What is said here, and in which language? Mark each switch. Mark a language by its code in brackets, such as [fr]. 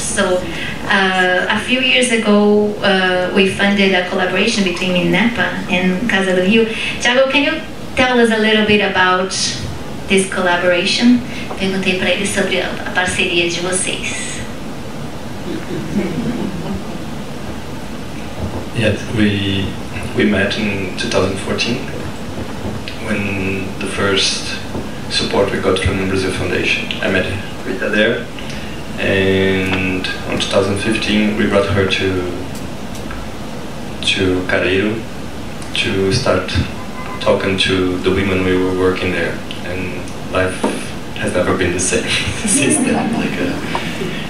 [en] So a few years ago, we funded a collaboration between MMNEPA and Casa do Rio. Thiago, can you tell us a little bit about this collaboration? [pt] Perguntei para eles sobre a parceria de vocês. [en] Yeah, we met in 2014 when the first support we got from the Brazil Foundation. I met Rita there, and in 2015 we brought her to Careiro to start talking to the women we were working there, and life has never been the same since then.